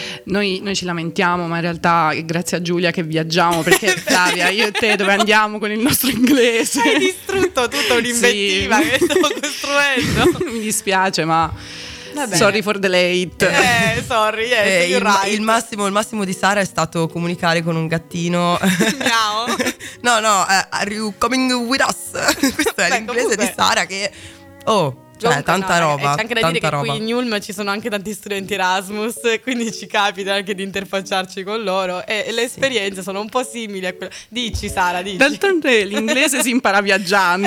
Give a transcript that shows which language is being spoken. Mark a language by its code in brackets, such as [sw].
[it] noi ci lamentiamo, ma in realtà è grazie a Giulia che viaggiamo, perché Flavia, io e te dove andiamo con il nostro inglese? Hai distrutto tutto l'inventiva, sì, che stavo costruendo. Mi dispiace, ma vabbè. [en] Sorry for the late. Sorry, yes, [it] il massimo di Sara è stato comunicare con un gattino. Miau. [en] No, are you coming with us? [it] Questo è l'inglese di Sara che... Oh, cioè, tanta roba. C'è anche da tanta dire roba. Che qui in Ulm ci sono anche tanti studenti Erasmus, quindi ci capita anche di interfacciarci con loro. E le esperienze sono un po' simili a quelle. Dici Sara, dici. D'altronde l'inglese si impara viaggiando.